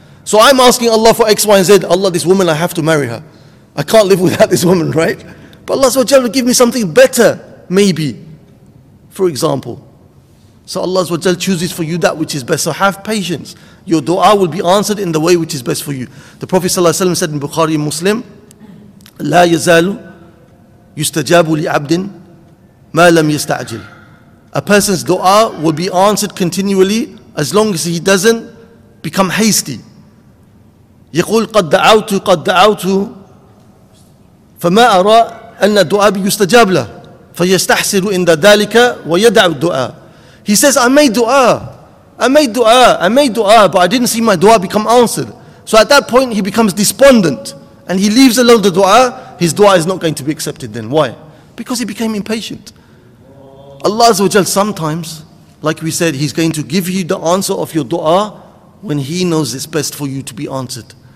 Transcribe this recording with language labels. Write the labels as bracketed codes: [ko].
[en] So I'm asking Allah for X, Y, and Z. Allah, this woman, I have to marry her. I can't live without this woman, right? But Allah SWT will give me something better, maybe. For example. So Allah SWT chooses for you that which is best. So have patience. Your dua will be answered in the way which is best for you. The Prophet ﷺ said in Bukhari Muslim, [ar] لا يزال يستجاب لعبد ما لم يستعجل. [en] A person's dua will be answered continually as long as he doesn't become hasty. [ar] يقول قد دعوت قد دعوت فما أرى أن الدعاء يستجاب له فيستحسر عند ذلك ويدع الدعاء. [en] He says, I made dua, but I didn't see my dua become answered. So at that point, he becomes despondent and he leaves alone the dua. His dua is not going to be accepted then. Why? Because he became impatient. Allah Azza wa Jal, sometimes, like we said, He's going to give you the answer of your dua when He knows it's best for you to be answered.